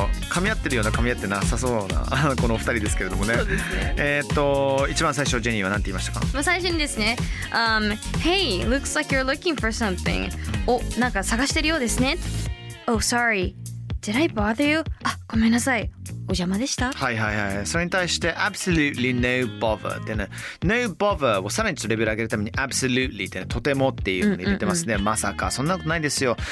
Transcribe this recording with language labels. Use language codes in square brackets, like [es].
[ja] 噛み合ってるような噛み合ってなさそうなこのお二人ですけれども ね、そうですね。一番最初ジェニーは何て言いましたか？最初にですね、 [en] Hey, looks like you're looking for something. [ja] お、なんか探してるようですね。 [en] Oh, sorry. Did I bother you? [ja] あ、ごめんなさい。お邪魔でした。はいはいはい。それに対して [en] Absolutely no bother [ja] ってね。No bother をさらにちょっとレベル上げるために Absolutely ってね、とてもっていうふうに入れてますね、うんうんうん、まさかそんなことないですよ。